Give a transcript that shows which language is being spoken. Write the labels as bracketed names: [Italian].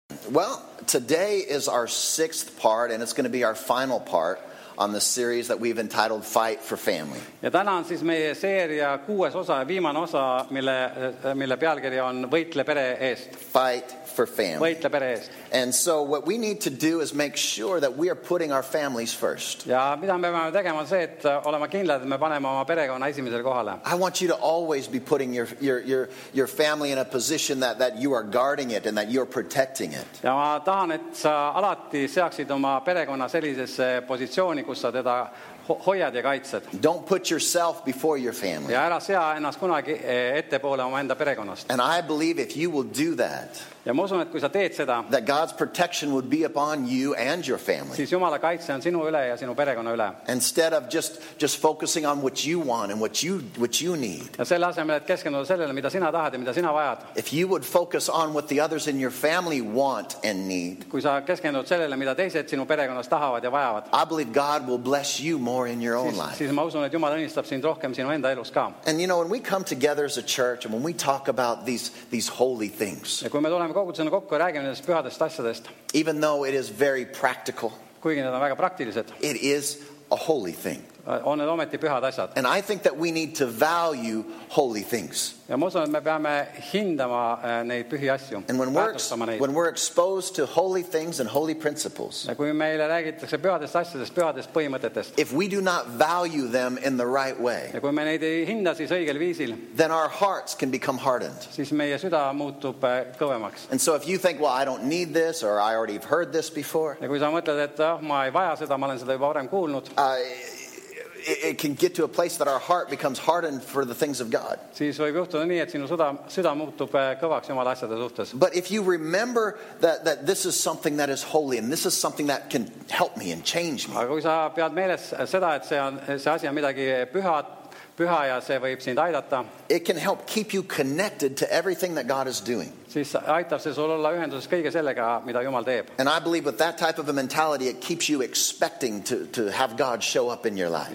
[English] Well, today is our sixth part, and it's going to be our final part on the series that we've entitled Fight for Family. [Estonian] Ja täna on siis meie seeria kuues osa ja viimane osa, mille pealkiri on Võitle pere eest. [English] Fight for Family. [Estonian] Võitle pere eest. [English] And so what we need to do is make sure that we are putting our families first. [Estonian] Ja mida me peame tegema on see, et olema kindlad, et me paneme oma perekonna esimesel kohale. [English] I want you to always be putting your family in a position that you are guarding it and that you are protecting it. [Estonian] Ja ma tahan, et sa alati seaksid oma perekonna sellisesse positsiooni, kus sa teda hoiad ja kaitsed. [English] Don't put yourself before your family. [Estonian] Ja ära sea ennast kunagi ette poole oma enda perekonnast. [English] And I believe if you will do that, [Estonian] ja ma usun, et kui sa teed seda, [English] that God's protection would be upon you and your family. [Estonian] Siis Jumala kaitse on sinu üle ja sinu perekonna üle. [English] Instead of just focusing on what you want and what you need. [Estonian] Ja selle asemel, et keskenduda sellele, mida sina tahad ja mida sina vajad. [English] If you would focus on what the others in your family want and need. [Estonian] Kui sa keskendud sellele, mida teised sinu perekonnas tahavad ja vajavad. [English] I believe God will bless you more in your own life. [Estonian] Siis ma usun, et Jumala õnnistab sind rohkem sinu enda elus ka. [English] And you know, when we come together as a church and when we talk about these holy things. [Estonian] Ja kui me tuleme kogutsena kokku ja räägime nendest pühadest asjadest. [English] Even though it is very practical. [Estonian] Kuigi need on väga praktilised. [English] It is a holy thing. [Estonian] On need ometi pühad asjad. [English] And I think that we need to value holy things. [Estonian] Ja ma usun, et me peame hindama neid pühi asju. [English] And when we're exposed to holy things and holy principles. [Estonian] Ja kui meile räägitakse pühadest asjadest, pühadest põhimõtetest. [English] If we do not value them in the right way. [Estonian] Ja kui me neid ei hinda siis õigel viisil. [English] Then our hearts can become hardened. [Estonian] Siis meie süda muutub kõvemaks. [English] And so if you think, well, I don't need this or I already have heard this before. [Estonian] Ja kui sa mõtled, et ma ei vaja seda, ma olen seda juba varem kuulnud. [English] It can get to a place that our heart becomes hardened for the things of God. [Estonian] Siis võib juhtuda nii, et sinu süda muutub kõvaks Jumala asjade suhtes. [English] But if you remember that this is something that is holy and this is something that can help me and change me. [Estonian] Aga kui sa pead meeles seda, et see asja midagi püha ja see võib sind aidata. [English] It can help keep you connected to everything that God is doing. [Estonian] Siis aitab see sul olla ühenduses kõige sellega, mida Jumal teeb. [English] And I believe with that type of a mentality, it keeps you expecting to have God show up in your life.